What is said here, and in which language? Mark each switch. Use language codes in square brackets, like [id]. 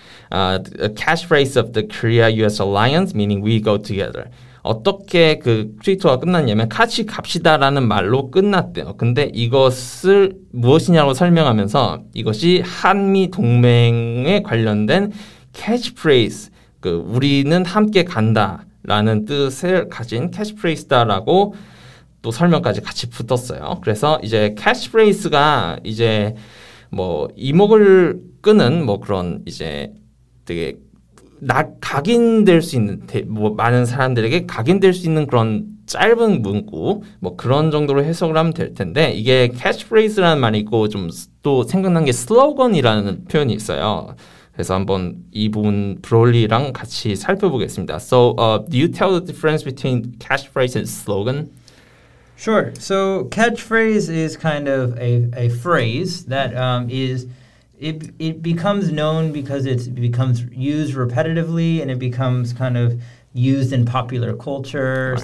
[en] The catchphrase of the Korea-US alliance meaning we go together. [ko] 어떻게 그 트위터가 끝났냐면 같이 갑시다라는 말로 끝났대요. 근데 이것을 무엇이냐고 설명하면서 이것이 한미 동맹에 관련된 catchphrase 그 우리는 함께 간다라는 뜻을 가진 캐치프레이스다라고 또 설명까지 같이 붙었어요. 그래서 이제 캐치프레이스가 이제 뭐 이목을 끄는 뭐 그런 이제 되게 각인될 수 있는 뭐 많은 사람들에게 각인될 수 있는 그런 짧은 문구 뭐 그런 정도로 해석을 하면 될 텐데 이게 캐치프레이스라는 말이 있고 좀 또 생각난 게 슬로건이라는 표현이 있어요. 그래서 한번 이 부분 브롤리랑 같이 살펴보겠습니다. [en] So, do you tell the difference between catchphrase and slogan? Sure. So, catchphrase is kind of a phrase that it becomes known because it becomes used repetitively and it becomes kind of used in popular culture. Right.